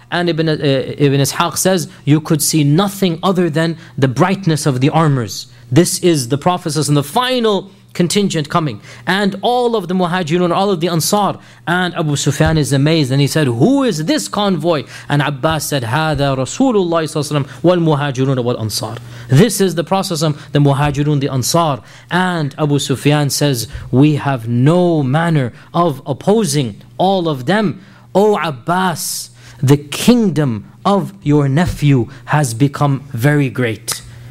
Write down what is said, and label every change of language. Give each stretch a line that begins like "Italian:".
English: And Ibn Ishaq says, you could see nothing other than the brightness of the armors. This is the Prophet and the final contingent coming. And all of the Muhajirun, all of the Ansar. And Abu Sufyan is amazed. And he said, who is this convoy? And Abbas said,
Arabic: هذا رسول الله صلى الله عليه وسلم والمهاجرون والأنصار.
English: This is the Prophet, the Muhajirun, the Ansar. And Abu Sufyan says, we have no manner of opposing all of them. O Abbas, the kingdom of your nephew has become very great.